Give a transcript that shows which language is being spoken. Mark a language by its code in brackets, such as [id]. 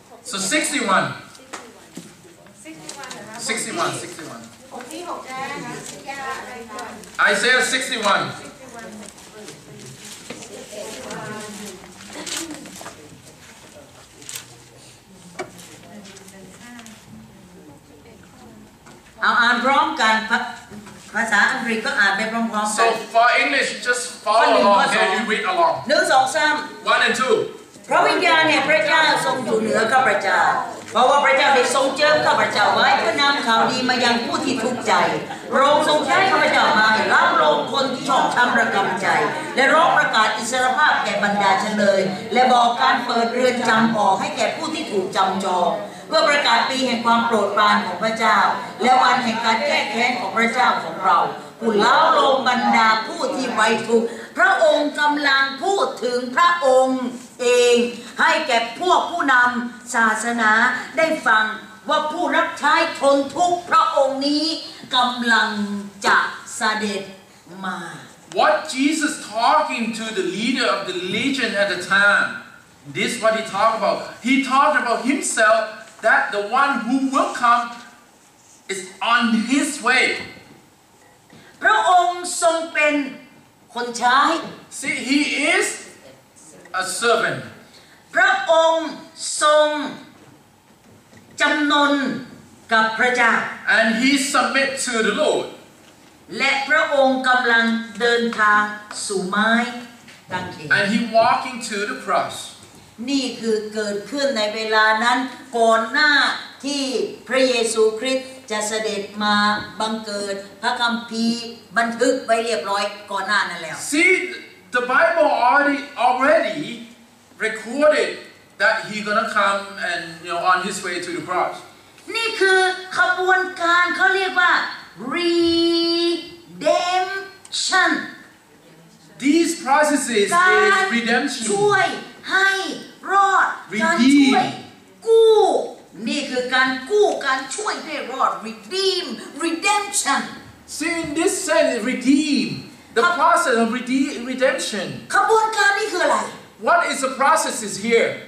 [en] so 61 Isaiah 61So for English, just follow along. Okay, you read along. 1, 2, 3. 1 and 2. [th] พระวิญญาณแห่งพระเจ้าทรงอยู่เหนือข้าพเจ้าเพราะว่าพระเจ้าได้ทรงเจิมข้าพเจ้าไว้เพื่อนำข่าวดีมายังผู้ที่ทุกข์ใจ พระองค์ทรงใช้ข้าพเจ้ามาให้รับลงคนที่ชอบทำระกำใจและร้องประกาศอิสรภาพแก่บรรดาเฉลยและบอกการเปิดเรือนจำออกให้แก่ผู้ที่ถูกจำจองเพื่อประกาศปีแห่งความโปรดปรานของพระเจ้า และวันแห่งการแก้แค้นของพระเจ้าของเราผู้เล่าลงบรรดาผู้ที่ไว้ทุกข์พระองค์กำลังพูดถึงพระองค์เองให้แก่พวกผู้นำศาสนาได้ฟังว่าผู้รับใช้ทนทุกข์พระองค์นี้กำลังจะเสด็จมา [en] What Jesus talking to the leader of the legion at the time This what he talked about He talked about himselfThat the one who will come is on his way. [th] พระองค์ทรงเป็นคนใช้ [en] See, he is a servant. [th] พระองค์ทรงจำนนกับพระเจ้า [en] And he submit to the Lord. [th] และพระองค์กำลังเดินทางสู่ไม้กางเขน [en] And he walking to the cross. [th] นี่คือเกิดขึ้นในเวลานั้นก่อนหน้าที่พระเยซูคริสต์จะเสด็จมาบังเกิดพระคัมภีร์บันทึกไว้เรียบร้อยก่อนหน้านั้นแล้ว [en] See the Bible already recorded that he gonna come and you know on his way to the cross [th] นี่คือขบวนการเขาเรียกว่า redemption [en] These processes is redemption [th] ช่วยให้รอด [en] Redeem. [th] การช่วยกู้นี่คือการกู้การช่วยให้รอด redeem redemption [en] see in this sense redeem the process process of redemption? [th] ขบวนการนี้คืออะไร [en] What is the process here?